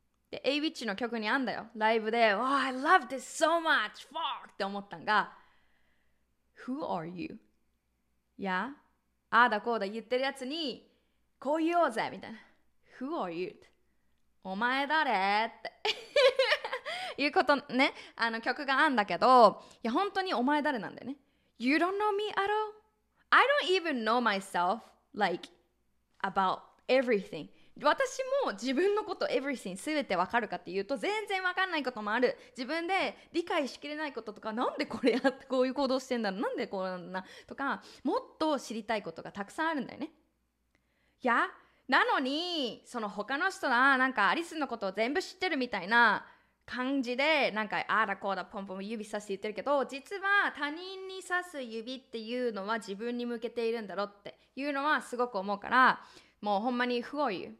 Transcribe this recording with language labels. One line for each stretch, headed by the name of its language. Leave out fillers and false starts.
Japanese: で A Witch の曲にあんだよ、ライブで、
English: oh, I love this so much fuck
Japanese: って思ったんが、
English: Who are you
Japanese: いや、ああだこうだ言ってるやつにこう言おうぜみたいな、 Who are you? お前誰っていうことね、あの曲があんだけど、いや本当にお前誰なんだよね。
English: You don't know me at all? I don't even know myself like about everything。
Japanese: 私も自分のこと everything 全てわかるかっていうと全然わかんないこともある。自分で理解しきれないこととか、なんでこれやってこういう行動してんだろう、なんでこうなんだなとか、もっと知りたいことがたくさんあるんだよね。いやなのに、その他の人がなんかアリスのことを全部知ってるみたいな感じで、なんかあらこうだポンポン指さして言ってるけど、実は他人に指す指っていうのは自分に向けているんだろうっていうのはすごく思うから、もうほんまに
English: Who are you?